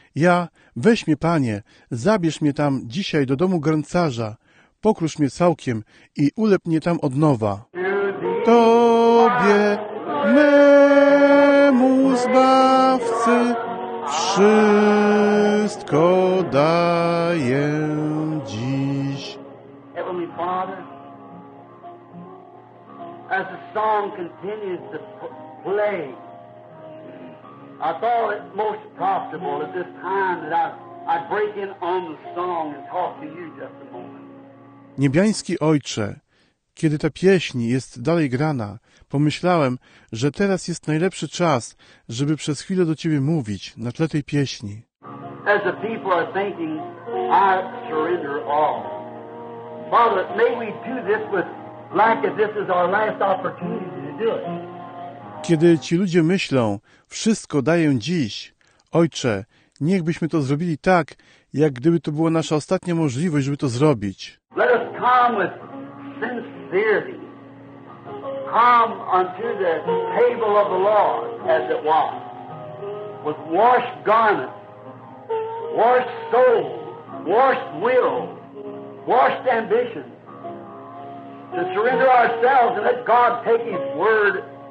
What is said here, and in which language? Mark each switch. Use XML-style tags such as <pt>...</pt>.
<pl>Ja, weź mnie, Panie, zabierz mnie tam dzisiaj do domu gręcarza, pokrusz mnie całkiem i ulep mnie tam od nowa. Tobie, memu Zbawcy, wszystko daję dziś.</pl> <en>Heavenly Father, as the song continues to play, I thought it most profitable at this time that I'd break in on the song and talk to you just a moment.</en> <pl>Niebiański Ojcze, kiedy ta pieśń jest dalej grana, pomyślałem, że teraz jest najlepszy czas, żeby przez chwilę do Ciebie mówić na tle tej pieśni.</pl> <en>As the people are thinking, I surrender all. Father, may we do this with like this is our last opportunity to do it.</en> <pl>Kiedy ci ludzie myślą, wszystko daję dziś, Ojcze, niech byśmy to zrobili tak, jak gdyby to była nasza ostatnia możliwość, żeby to zrobić.</pl> <en>Let us come with sincerity. Come unto the table of the Lord, as it was, with washed garments, washed soul, washed will, washed ambition, to surrender ourselves and let God take His word.</en>